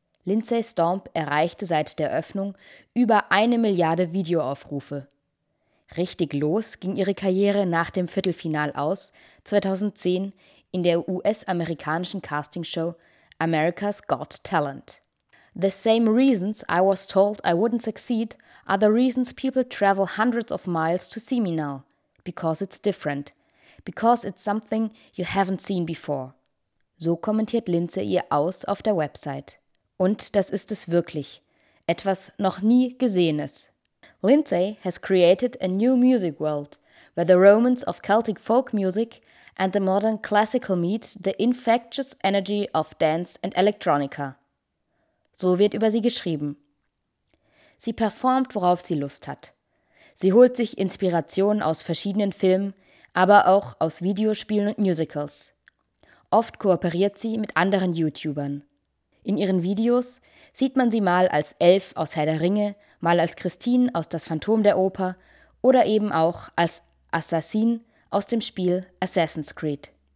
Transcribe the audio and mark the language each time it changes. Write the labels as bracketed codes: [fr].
[de] Lindsay Stomp erreichte seit der Eröffnung über 1 Milliarde Videoaufrufe. Richtig los ging ihre Karriere nach dem Viertelfinal aus, 2010 in der US-amerikanischen Castingshow America's Got Talent. [en] The same reasons I was told I wouldn't succeed are the reasons people travel hundreds of miles to see me now. Because it's different. Because it's something you haven't seen before. [de] So kommentiert Lindsay ihr Aus auf der Website. Und das ist es wirklich. Etwas noch nie Gesehenes. [en] Lindsay has created a new music world, where the romance of Celtic folk music and the modern classical meet the infectious energy of dance and electronica. [de] So wird über sie geschrieben. Sie performt, worauf sie Lust hat. Sie holt sich Inspirationen aus verschiedenen Filmen, aber auch aus Videospielen und Musicals. Oft kooperiert sie mit anderen YouTubern. In ihren Videos sieht man sie mal als Elf aus Herr der Ringe, mal als Christine aus Das Phantom der Oper oder eben auch als Assassin aus dem Spiel Assassin's Creed.